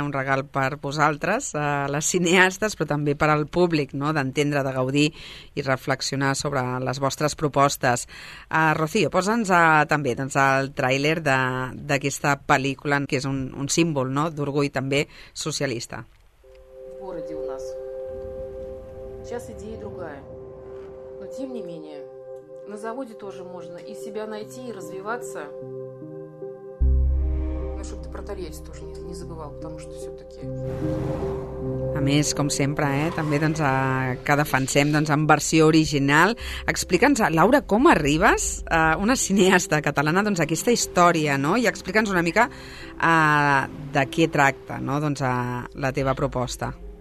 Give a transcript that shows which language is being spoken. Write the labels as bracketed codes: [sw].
[ca] Un regal per vosaltres, les cineastes, però també per al públic, no? D'entendre, de gaudir i reflexionar sobre les vostres propostes. Rocío, posa'ns també doncs, el tràiler d'aquesta pel·lícula, que és un símbol, no? D'orgull també socialista. [ru] Городе у нас. Сейчас идея другая. Но тем не менее, на заводе тоже можно и себя найти, и развиваться. Ну, чтобы ты про Тольятти тоже не забывал, потому что все-таки... [ca] A més, com sempre, també doncs, que defensem doncs, en versió original. Explica'ns, Laura, com arribes, una cineasta catalana, doncs, aquesta història, no? I explica'ns una mica de què tracta, no? Doncs, la teva proposta.